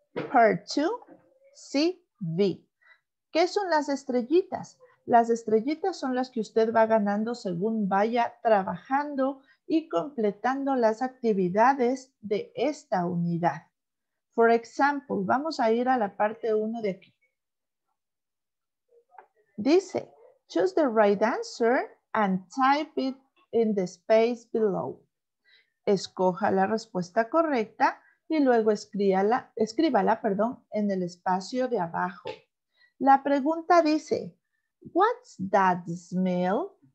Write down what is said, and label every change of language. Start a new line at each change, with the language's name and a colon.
Spanish: Part 2, C, V. ¿Qué son las estrellitas? Las estrellitas son las que usted va ganando según vaya trabajando y completando las actividades de esta unidad.
English: For example,
Spanish: vamos a ir a la parte 1 de aquí.
English: Dice, choose the right answer and type it in the space below.
Spanish: Escoja la respuesta correcta y luego escríbala, en el espacio de abajo. La pregunta dice,
English: what's that smell?